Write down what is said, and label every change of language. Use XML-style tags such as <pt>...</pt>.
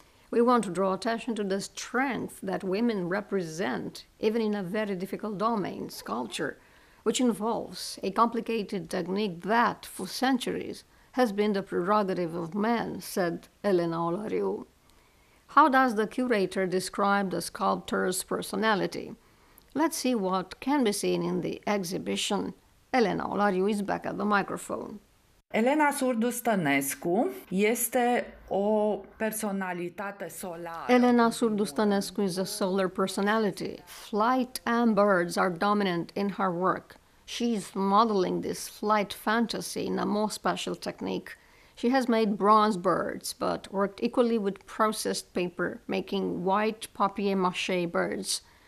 <en>We want to draw attention to the strength that women represent, even in a very difficult domain, sculpture, which involves a complicated technique that, for centuries, has been the prerogative of men, said Elena Olariu. How does the curator describe the sculptor's personality? Let's see what can be seen in the exhibition. Elena Olariu is back at the microphone.</en> <ro>Elena Surdu-Sănescu este o personalitate solară.</ro> <en>Elena Surdu-Sănescu is a solar personality. Flight and birds are dominant in her work. She is modeling this flight fantasy in a more special technique. She has made bronze birds, but worked equally with processed paper, making white papier-mâché birds.</en>